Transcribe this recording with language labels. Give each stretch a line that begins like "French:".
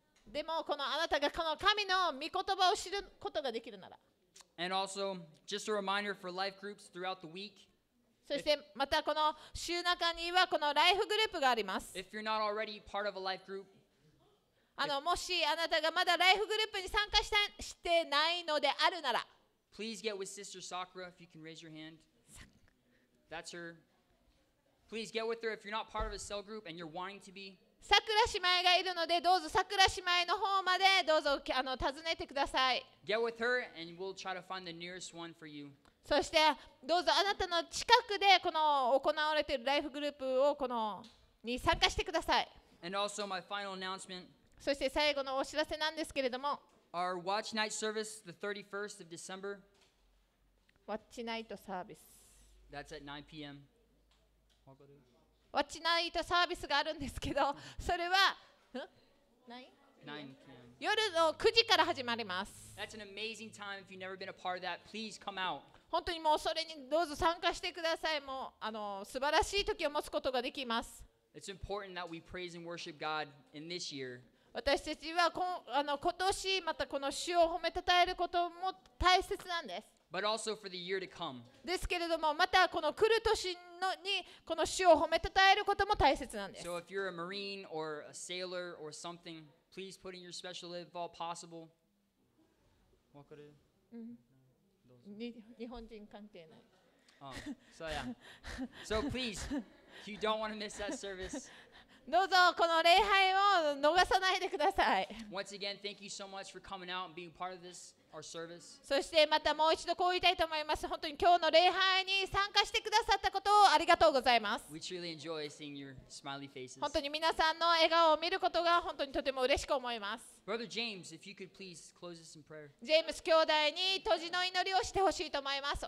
Japanese: でもこのあなたがこの神の御言葉を知ることができるなら。
English: And also, just a reminder for life groups throughout the week.
Japanese: そしてまたこの週中にはこのライフグループがあります。
English: If you're not already part of a life group.
Japanese: もしあなたがまだライフグループに参加 してないのであるなら
English: Please get with Sister Sakura if you can raise your hand. That's her. Please get with her if you're not part of a cell group and you're wanting to be.
Japanese: さくら姉妹がいるのでどうぞさくら姉妹の方までどうぞ尋ねてください。
English: Get with her and we'll try to find the nearest one for you.
Japanese: そしてどうぞあなたの近くでこの行われているライフグループをこのに参加してください。
English: And also my final announcement.
Japanese: そして最後のお知らせなんですけれども、
English: Our Watch Night Service, the 31st of December. Watch Night Service. That's at 9 p.m.
Japanese: Watch Night Service があるんですけど、それは、 9 p.m. 夜の9時から始まります。
English: That's an amazing time. If you've never been a part of that, please come out.
Japanese: 本当にもうそれにどうぞ参加してください。もうあの素晴らしい時を持つことができます。
English: It's important that we praise and worship God in this year.
Japanese: 私たちはあの今年またこの主を褒めたたえることも大切なんです。
English: But also for the year to come.
Japanese: ですけれどもまたこの来る年のにこの主を褒めたたえることも大切なんです。
English: So if you're a marine or a sailor or something, please put in your special lift if all possible.
Japanese: わかる？日本人関係ない。
English: Oh, so yeah. So please, if you don't want to miss that service,
Japanese: どうぞこの礼拝を逃さないでください。
English: Once again, thank you so much for coming out and being part of this our service.
Japanese: そしてまたもう一度こう言いたいと思います。本当に今日の礼拝に参加してくださったことをありがとうございます。
English: We truly enjoy seeing your smiley faces.
Japanese: 本当に皆さんの笑顔を見ることが本当にとても嬉しく思います。
English: Brother James, if you could please close us in prayer.
Japanese: ジェームス兄弟に閉じの祈りをしてほしいと思います。